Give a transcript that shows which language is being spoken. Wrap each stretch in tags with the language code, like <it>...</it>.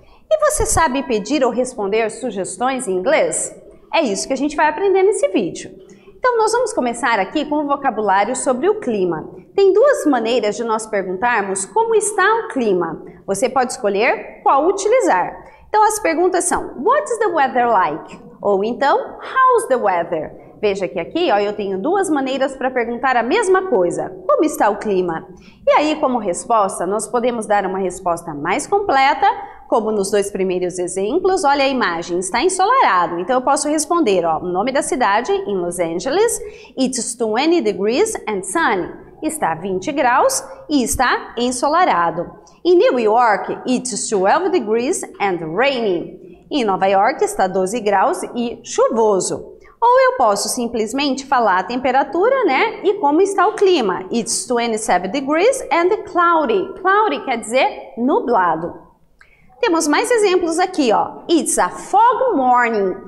<pt>E você sabe pedir ou responder sugestões em inglês? É isso que a gente vai aprender nesse vídeo. Então, nós vamos começar aqui com o vocabulário sobre o clima. Tem duas maneiras de nós perguntarmos como está o clima. Você pode escolher qual utilizar. Então, as perguntas são,</pt> <en>what is the weather like?</en> <pt>Ou então,</pt> <en>how's the weather?</en> <pt>Veja que aqui ó, eu tenho duas maneiras para perguntar a mesma coisa. Como está o clima? E aí, como resposta, nós podemos dar uma resposta mais completa, como nos dois primeiros exemplos. Olha a imagem, está ensolarado. Então, eu posso responder, ó, o nome da cidade, em Los Angeles,</pt> <en>it's 20 degrees and sunny.</en> <pt>Está 20 graus e está ensolarado.</pt> <en>Em New York, it's 12 degrees and rainy.</en> <pt>Em Nova York está 12 graus e chuvoso. Ou eu posso simplesmente falar a temperatura, né? E como está o clima.</pt> <en>It's 27 degrees and cloudy. Cloudy</en> <pt>quer dizer nublado. Temos mais exemplos aqui, ó.</pt> <en>It's a fog morning.</en>